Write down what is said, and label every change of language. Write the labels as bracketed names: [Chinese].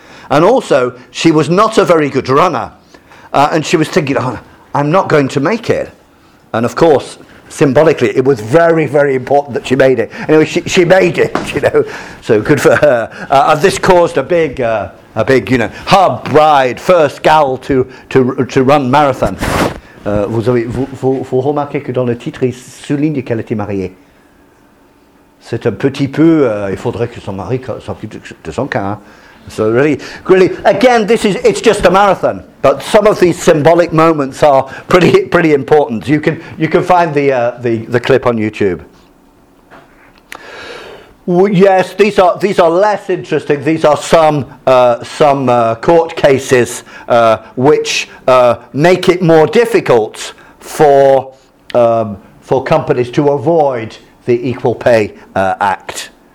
[English] And also, she was not a very good runner. And she was thinking, oh, I'm not going to make it. And of course, symbolically, it was very, very important that she made it. Anyway, she made it, you know, so good for her. And this caused a big, you know, her bride, first gal to run marathon. [French] Vous remarquez que dans le titre, il souligne qu'elle était mariée. C'est un petit peu, il faudrait que son mari s'occupe de son cas. [English] So really, really, again, this is, it's just a marathon, but some of these symbolic moments are pretty, pretty important. You can find the clip on YouTube. Yes, these are less interesting. These are some court cases which make it more difficult for companies to avoid the Equal Pay Act.